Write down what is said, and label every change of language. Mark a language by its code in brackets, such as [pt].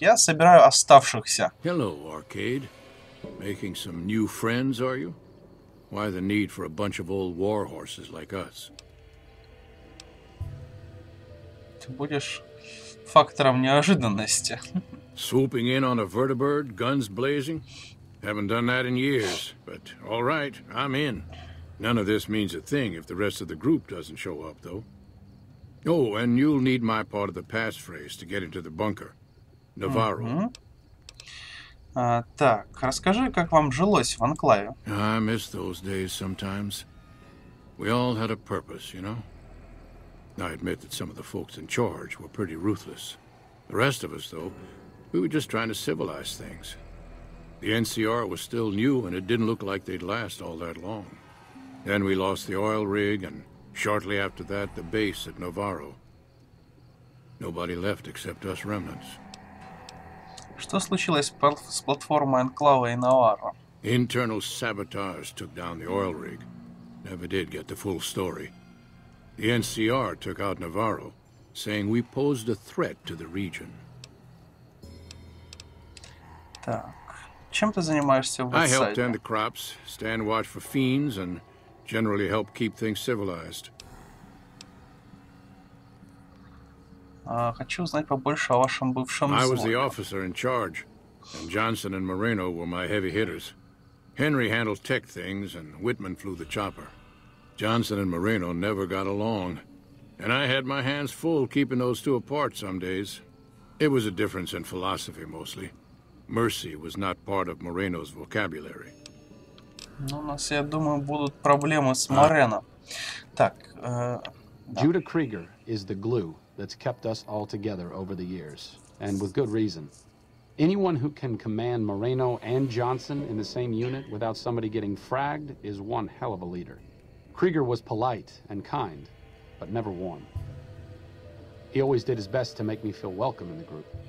[ru] Я собираю оставшихся. [en] Hello, Arcade. Making some new friends, are you? Why the need for a bunch of old war horses like us? [ru] Ты будешь фактором неожиданности. [en] Swooping in on a vertibird, guns blazing. Haven't done that in years, but all right, I'm in. None of this means a thing if the rest of the group doesn't show up, though. Oh, and you'll need my part of the passphrase to get into the bunker. Navarro. [ru] Так, расскажи, как вам жилось в Анклаве? [en] I miss those days sometimes. We all had a purpose, you know? I admit that some of the folks in charge were pretty ruthless. The rest of us, though, we were just trying to civilize things. The NCR was still new, and it didn't look like they'd last all that long. Then we lost the oil rig, and shortly after that, the base at Navarro. Nobody left except us remnants. [ru] Что случилось с платформой Анклава и Наварро? [en] Internal sabotage took down the oil rig. Never did get the full story. The NCR took out Navarro, saying we posed a threat to the region. [ru] Так. Чем ты занимаешься в Вестсайде? [en] I help tend the crops, stand watch for fiends, and generally help keep things civilized. [ru] Хочу узнать побольше о вашем бывшем взводе. [en] I was the officer in charge, and Johnson and Moreno were my heavy hitters. Henry handled tech things, and Whitman flew the chopper. Johnson and Moreno never got along, and I had my hands full keeping those two apart some days. It was a difference in philosophy mostly. Mercy was not part of Moreno's vocabulary. [ru] Ну, у нас, я думаю, будут проблемы с Морено. Так. [en] Judah Krieger is the glue that's kept us all together over the years, and with good reason. Anyone who can command Moreno and Johnson in the same unit without somebody getting fragged is one hell of a leader. Krieger was polite and kind, but never warm. He always did his best to make me feel welcome in the group.